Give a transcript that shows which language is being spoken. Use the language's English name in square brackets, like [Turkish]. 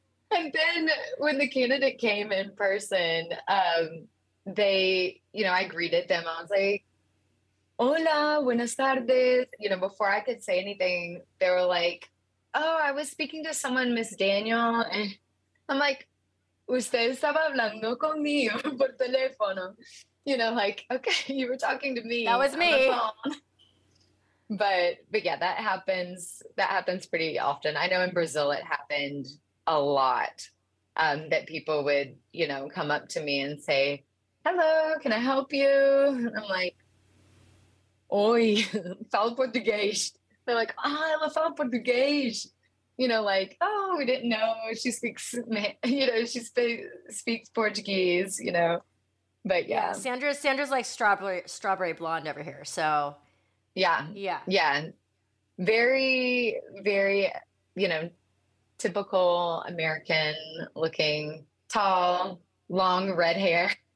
[English] And then when the candidate came in person, they, you know, I greeted them. I was like, [Spanish] hola, buenas tardes. [English] You know, before I could say anything, they were like, oh, I was speaking to someone, Miss Daniel. And I'm like, [Spanish] usted estaba hablando conmigo por teléfono. [English] You know, like, okay, you were talking to me. That was me. But yeah, that happens. That happens pretty often. I know in Brazil it happened a lot, that people would, you know, come up to me and say, hello, can I help you? And I'm like, [Portuguese] oi, falo português. [English] They're like, [Portuguese] ah, ela fala português. [English] You know, like, oh, we didn't know she speaks, you know, she speaks Portuguese, you know, but yeah. Sandra's like strawberry blonde over here. So yeah. Very, very, you know, typical American looking, tall, long red hair.